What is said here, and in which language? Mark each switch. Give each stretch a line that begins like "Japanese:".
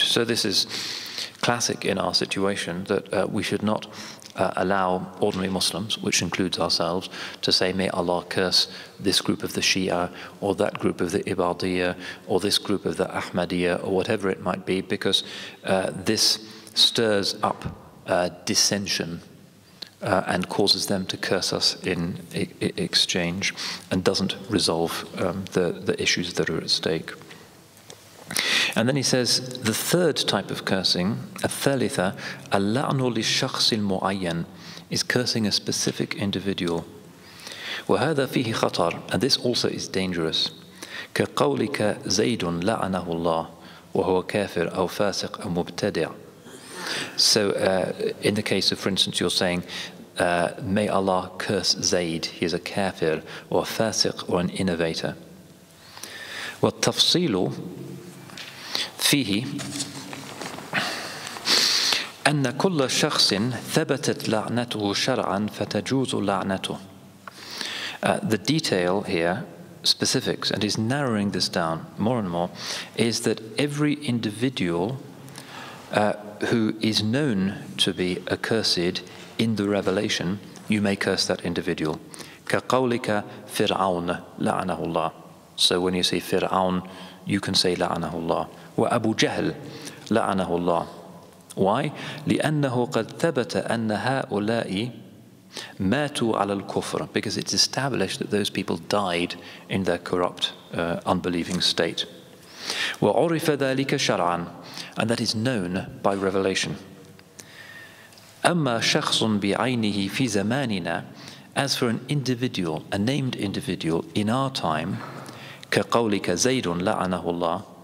English: So this is classic in our situation that we should not allow ordinary Muslims, which includes ourselves, to say, may Allah curse this group of the Shia, or that group of the Ibadiyya, or this group of the Ahmadiyya, or whatever it might be, because this stirs up dissension and causes them to curse us in exchange and doesn't resolve the issues that are at stake. And then he says, the third type of cursing,
Arabic: الثالثة, اللعن للشخص المعين,
English: is cursing a specific individual.
Arabic: وهذا فيه خطر,
English: and this also is dangerous.
Arabic: كقولك زيد لعنه الله وهو كافر أو فاسق أو مبتدع.
English: So in the case of, for instance, you're saying, may Allah curse Zayd, he is a kafir, or a fasiq, or an innovator.
Arabic: والتفصيل فيه أن كل شخص ثبتت لعنته شرعا فتجوز لعنته.
English: The detail here, specifics, and he's narrowing this down more and more, is that every individual who is known to be accursed in the revelation, you may curse that individual.
Arabic: كقولك فرعون لعنه الله.
English: So when you say فرعون, you can say
Arabic: لعنه الله. وأبو جهل لعنه الله.
English: Why?
Arabic: لأنه قد ثبت أن هؤلاء ماتوا على الكفر.
English: Because it's established that those people died in their corrupt, unbelieving state.
Arabic: وعرف ذلك شرعا.
English: And that is known by revelation.
Arabic: أما شخص بعينه في زماننا.
English: As for an individual, a named individual in our time,
Arabic: كقولك زيد لعنه الله.